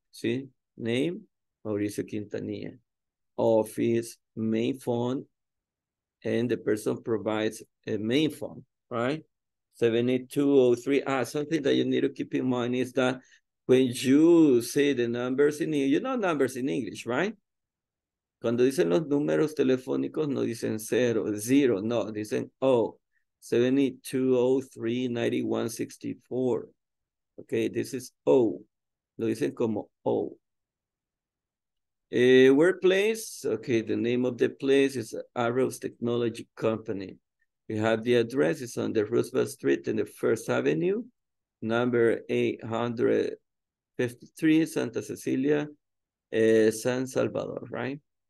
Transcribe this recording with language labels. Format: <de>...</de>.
<en>See, name, Mauricio Quintanilla. Office, main phone, and the person provides a main phone, right? 7203, something that you need to keep in mind is that when you say the numbers in English, you know numbers in English, right?</en> <es>Cuando dicen los números telefónicos, no dicen cero, zero, no, dicen 0-7203-9164.</es> <en>Okay, this is O.</en> <es>Lo dicen como O.</es> <en>Workplace, okay, the name of the place is Arrows Technology Company. We have the address, it's on the Roosevelt Street and the First Avenue. number 853, Santa Cecilia, San Salvador, right?</en>